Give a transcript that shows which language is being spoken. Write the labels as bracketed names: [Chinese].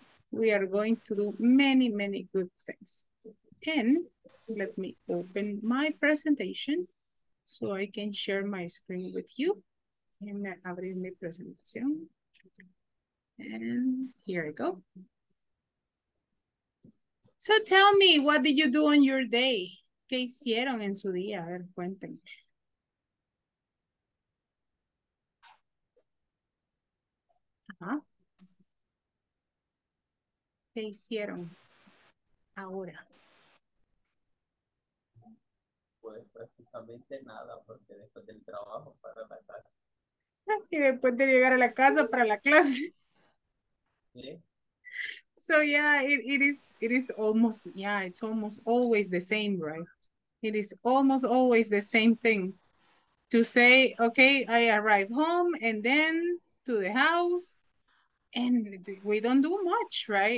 [English] We are going to do many, many good things. And let me open my presentation so I can share my screen with you. I'm gonna [Spanish] abrir mi presentación. [English] And here I go. So tell me, what did you do on your day? [Spanish] ¿Qué hicieron en su día? A ver, cuéntenme. ¿Qué hicieron ahora? Pues prácticamente nada, porque después del trabajo para la casa. Y después de llegar a la casa para la clase. ¿Sí? [English] So yeah, it's almost always the same, right? It is almost always the same thing to say, okay, I arrive home and then to the house, and we don't do much, right?